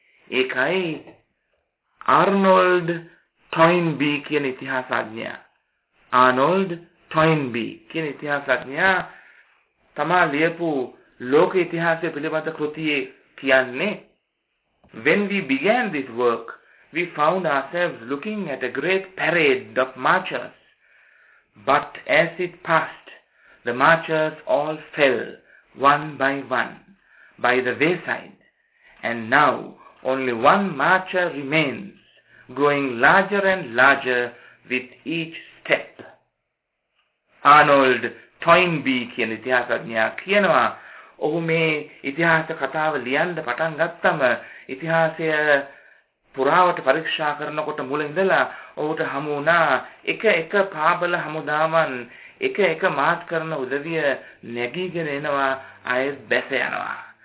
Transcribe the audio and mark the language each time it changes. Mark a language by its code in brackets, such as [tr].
[si] ඒකයි ආර්නෝල්ඩ් ටොයින්බී කියන ඉතිහාසඥයා, ආනෝල්ඩ් ටොයින්බී කියන ඉතිහාසඥයා තමා ලියපු ලෝක ඉතිහාසය පිළිබඳ කෘතියේ කියන්නේ, [en] When we began this work, we found ourselves looking at a great parade of marchers. But as it passed, the marchers all fell one by one by the wayside. And now only one marcher remains, growing larger and larger with each step. [si] Arnold Toynbee කියන ඉතිහාසඥයා කියනවා, ඔහු මේ ඉතිහාස කතාව ලියන්න පටන් ගත්තම ඉතිහාසය පුරාවට පරීක්ෂා කරනකොට මුල ඉඳලා ඔහුට හමු වුණා එක එක පාබල හමුදාවන්, එක එක මාත් කරන උදවිය නැගීගෙන එනවා, අයත් බැස යනවා.